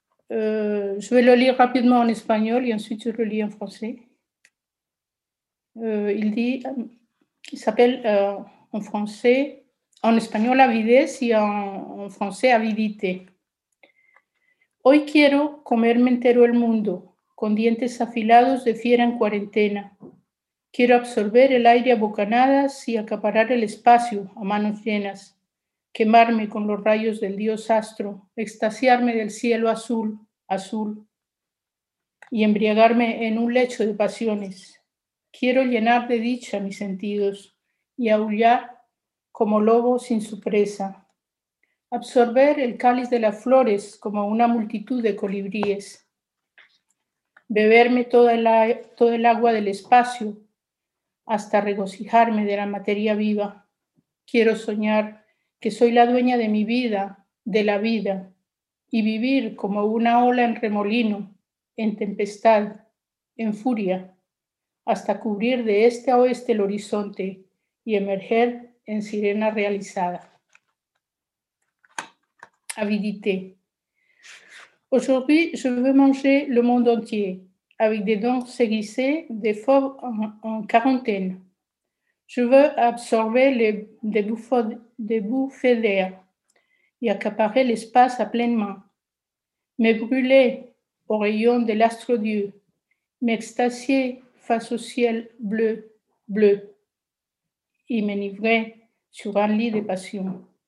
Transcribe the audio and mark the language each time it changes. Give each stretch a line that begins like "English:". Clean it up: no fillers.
French: Je vais le lire rapidement en espagnol et ensuite je le lis en français. Il s'appelle en français, en espagnol avidez y en français avidité.
Spanish: Hoy quiero comerme entero el mundo, con dientes afilados de fiera en cuarentena. Quiero absorber el aire a bocanadas y acaparar el espacio a manos llenas. Quemarme con los rayos del dios astro, extasiarme del cielo azul, azul, y embriagarme en un lecho de pasiones. Quiero llenar de dicha mis sentidos y aullar como lobo sin su presa. Absorber el cáliz de las flores como una multitud de colibríes. Beberme todo el agua del espacio hasta regocijarme de la materia viva. Quiero soñar que soy la dueña de mi vida, de la vida, y vivir como una ola en remolino, en tempestad, en furia, hasta cubrir de este a oeste el horizonte y emerger en sirena realizada.
French: Avidité. Aujourd'hui, je veux manger le monde entier, avec des dents aiguisées, des fauves en quarantaine. Je veux absorber les bouffées d'air et accaparer l'espace à pleines mains, me brûler au rayon de l'astre Dieu, m'extasier face au ciel bleu, bleu, et m'enivrer sur un lit de passion.